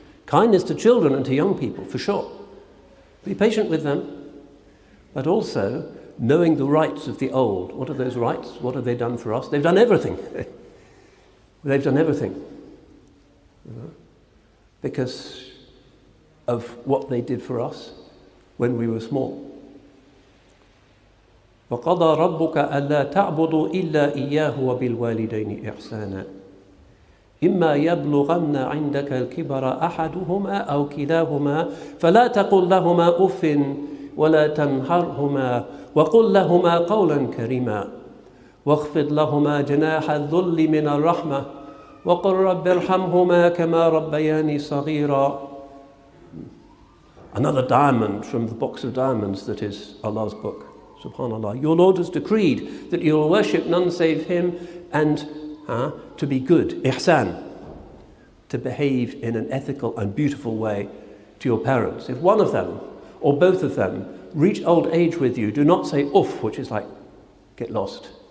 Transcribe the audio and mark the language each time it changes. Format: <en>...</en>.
<en>Kindness to children and to young people, for sure. Be patient with them, but also knowing the rights of the old. What are those rights? What have they done for us? They've done everything. They've done everything. Because of what they did for us when we were small.</en> <ar>وَقَضَى رَبُّكَ أَلَّا تَعْبُدُوا إِلَّا إِيَّاهُ وَبِالْوَالِدَيْنِ إِحْسَانًا إِمَّا يَبْلُغَنَّ عِنْدَكَ الْكِبَرَ أَحَدُهُمَا أَوْ كِلَاهُمَا فَلَا تَقُلْ لَهُمَا أُفٍّ وَلَا تَنْهَرْهُمَا وَقُلْ لَهُمَا قَوْلًا كَرِيمًا وَاخْفِضْ لَهُمَا جَنَاحَ الذُّلِّ مِنَ الرَّحْمَةِ وَقُلْ رَبِّ ارْحَمْهُمَا كَمَا رَبَّيَانِي صَغِيرًا</ar> <en>Another diamond from the box of diamonds that is Allah's book. Subhanallah. Your Lord has decreed that you will worship none save Him and to be good, ihsan, to behave in an ethical and beautiful way to your parents. If one of them or both of them reach old age with you, do not say uff, which is like get lost.</en>